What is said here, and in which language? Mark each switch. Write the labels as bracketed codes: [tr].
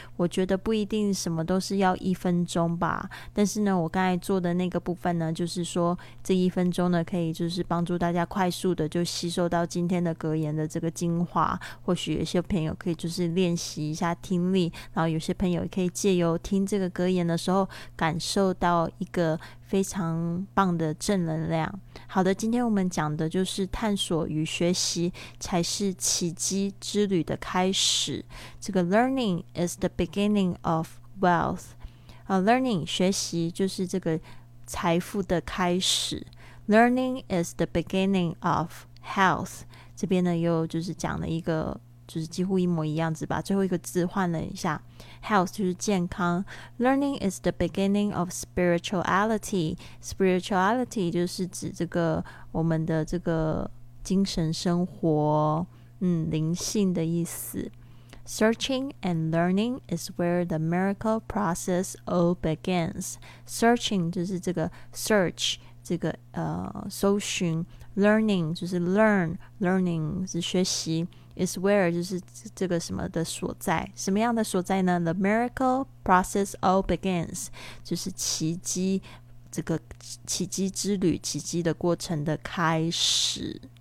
[zh] 我觉得不一定什么都是要一分钟吧，但是呢我刚才做的那个部分呢，就是说这一分钟呢可以就是帮助大家快速的就吸收到今天的格言的这个精华，或许有些朋友可以就是练习一下听力，然后有些朋友可以借由听这个格言的时候感受到一个非常棒的正能量。好的，今天我们讲的就是探索与学习才是奇迹之旅的开始。 [en] 这个 learning is the beginning of wealth. [zh] Learning 学习就是这个财富的开始。 [en] Learning is the beginning of health. [zh] 这边呢又就是讲了一个就是几乎一模一样子吧，最后一个字换了一下， health 就是健康。 [en] Learning is the beginning of spirituality. [zh] Spirituality 就是指这个我们的这个精神生活，灵性的意思。 [en] Searching and learning is where the miracle process all begins. [zh] Searching 就是这个 search 这个搜寻， learning 就是 learn， learning 是学习，is where 就是这个什么的所在，什么样的所在呢？ [en] The miracle process all begins， [zh] 就是奇迹，这个奇迹之旅，奇迹的过程的开始。